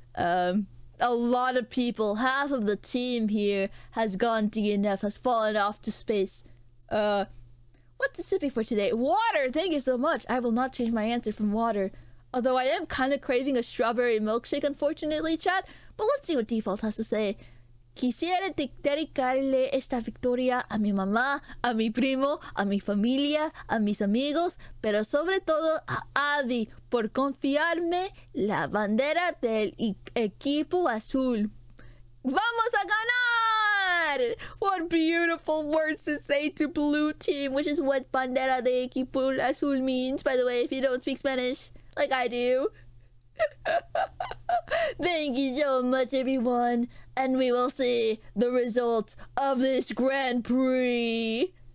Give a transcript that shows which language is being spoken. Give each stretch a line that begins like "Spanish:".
English: A lot of people, half of the team here has gone DNF, has fallen off to space. What's the sipping for today? Water! Thank you so much. I will not change my answer from water. Although I am kind of craving a strawberry milkshake, unfortunately, chat. But let's see what Default has to say.
Spanish: Quisiera dedicarle esta victoria a mi mamá, a mi primo, a mi familia, a mis amigos, pero sobre todo a Abby por confiarme la bandera del equipo azul. ¡Vamos a ganar!
English: What beautiful words to say to blue team, which is what
Spanish: bandera de equipo azul
English: means, by the way, if you don't speak Spanish, like I do. Thank you so much, everyone. And we will see the results of this Grand Prix.